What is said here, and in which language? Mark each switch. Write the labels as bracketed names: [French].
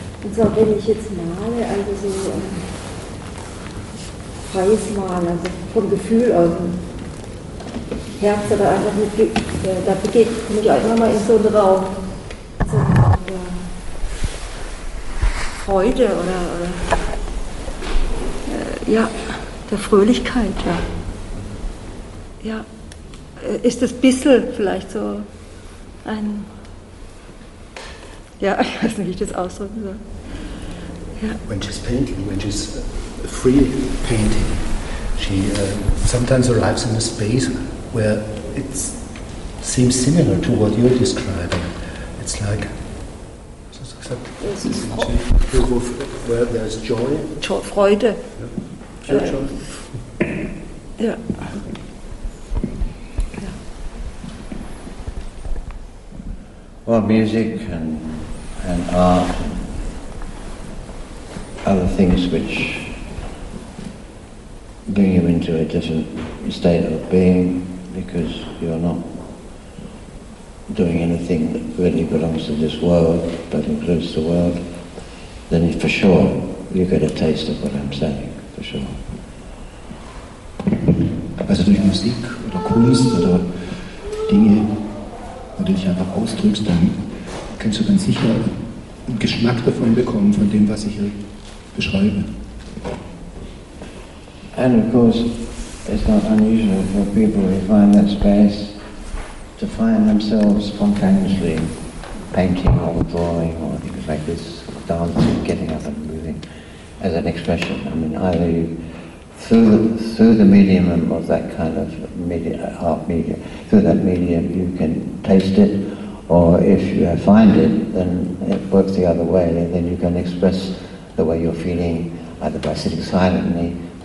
[German] Und zwar, wenn ich jetzt male, also so freies Malen, also vom Gefühl aus, Herz oder einfach mit, da komme ich einfach mal in so einen Raum. So, ja. Freude oder ja, der Fröhlichkeit, ja. Ja, ist das ein bisschen vielleicht so ein. [English] Yeah, I don't know how to describe it. When she's painting, when she's free painting, she sometimes arrives in a space where it seems similar to what you're describing. It's like, [German] was hast du gesagt? Es ist [English] where there's joy. [German] Freude. [English] Yeah. Joy. Yeah. Yeah. Well, music and art, other things which bring you into a different state of being, because you're not doing anything that really belongs to this world, but includes the world, then for sure you get a taste of what I'm saying, for sure. [German] Also durch Musik oder Kunst oder Dinge, wo du dich einfach ausdrückst, dann kannst du ganz sicher einen Geschmack davon bekommen, von dem, was ich hier beschreibe. [English] And of course, it's not unusual for people who find that space to find themselves spontaneously painting or drawing or things like this, dancing, getting up and moving as an expression. I mean, either you, through the medium of that kind of media, art media, through that medium you can taste it, or if you find it, then it works the other way, and then you can express the way you're feeling either by sitting silently.